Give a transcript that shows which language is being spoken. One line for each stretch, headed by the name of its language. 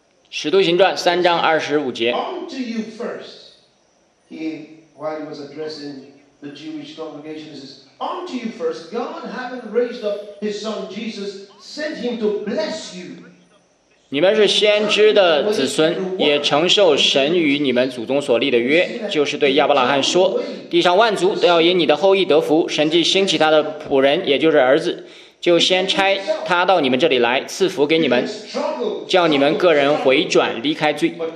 Chinese: 使徒行传三章二十五节。
English: Unto you first, God having raised up His Son Jesus, sent Him to bless you.
Chinese: 你们是先知的子孙，也承受神与你们祖宗所立的约，就是对亚伯拉罕说，地上万族都要因你的后裔得福。神既兴起他的仆人，也就是儿子，就先差他到你们这里来，赐福给你们，叫你们个人回转离开罪。